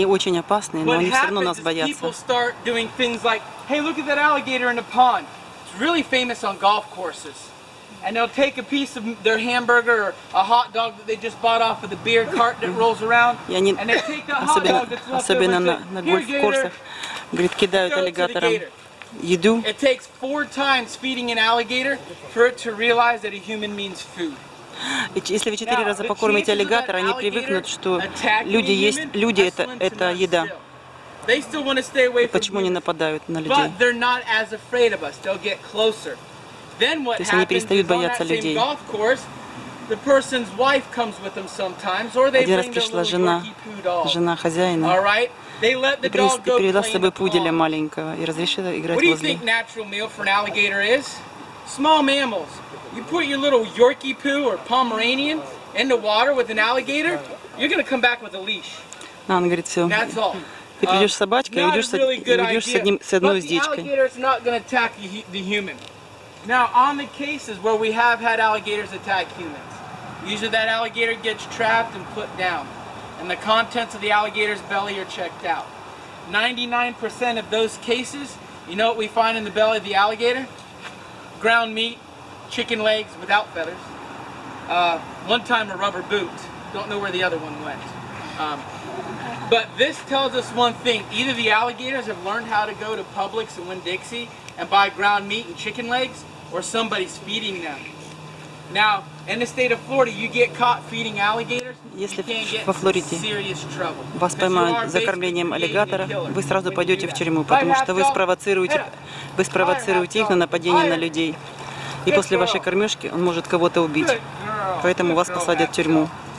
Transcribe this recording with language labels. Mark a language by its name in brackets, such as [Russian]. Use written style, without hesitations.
[Russian] Они очень опасные, но они все равно нас боятся. [English] What happens is people start doing things like, hey, look at that alligator in the pond. It's really famous on golf courses. And they'll take a piece of their hamburger or a hot dog that they just bought off of the beer cart that rolls around. And they take that hot dog that's left over. [Russian] Особенно на гольф-курсах. Говорит, кидают аллигаторам. Еду. [English] It takes 4 times feeding an alligator for it to realize that a human means food. [Russian] Если вы 4 раза покормите аллигатора, они привыкнут, что люди есть, люди это еда. [English] They still want to stay away from. [Russian] Почему не нападают на людей? [English] But they're not as afraid of us. They'll get closer. Then what happens? [Russian] Они перестают бояться людей. [English] Golf course, the person's wife comes with them sometimes, or they bring their little dorky poo doll. [Russian] Жена хозяина. [English] All right. They let the dog go. [Russian] Привела с собой пуделя маленького и разрешила играть возле. [English] What do you think natural meal for an alligator is? Small mammals. You put your little Yorkie poo or Pomeranian in the water with an alligator, you're gonna come back with a leash. [Russian] Да, он говорит, все. [English] That's all. [Russian] Ты придешь с собачкой, идешь с одним, с одной из дичкой. [English] But the alligator is not gonna attack the human. Now, on the cases where we have had alligators attack humans, usually that alligator gets trapped and put down. And the contents of the alligator's belly are checked out. 99% of those cases, you know what we find in the belly of the alligator? Ground meat, chicken legs without feathers. One time a rubber boot. Don't know where the other one went. But this tells us one thing. Either the alligators have learned how to go to Publix and Winn-Dixie and buy ground meat and chicken legs, or somebody's feeding them. Now, in the state of Florida, you get caught feeding alligators, [Russian] если во Флориде вас поймают за кормлением аллигатора, вы сразу пойдете в тюрьму, потому что вы спровоцируете их на нападение на людей. И после вашей кормежки он может кого-то убить. Поэтому вас посадят в тюрьму.